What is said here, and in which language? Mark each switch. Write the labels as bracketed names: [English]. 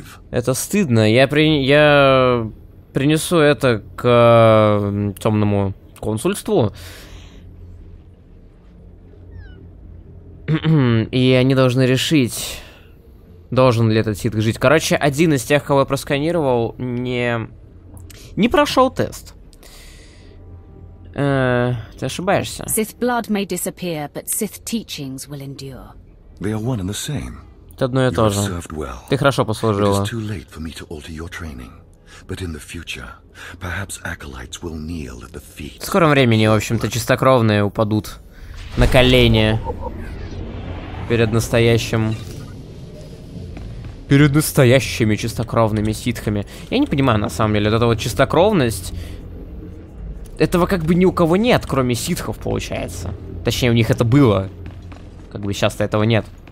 [Russian] Это стыдно. Я принесу это к темному консульству. И они должны решить, должен ли этот ситх жить. Короче, один из тех, кого я просканировал, не прошел тест. Ты ошибаешься. [English] Sith blood may disappear, but Sith teachings will endure. They are one and the same. [Russian] Это одно и то же. Well. Ты хорошо послужила. [English] It is too late for me to alter your training. But in the future, perhaps acolytes will kneel at the feet. [Russian] В скором времени, в общем-то, чистокровные упадут на колени перед настоящим... Перед настоящими чистокровными ситхами. Я не понимаю, на самом деле, вот эта вот чистокровность... Этого как бы ни у кого нет, кроме ситхов, получается. Точнее, у них это было. Как бы сейчас-то этого нет.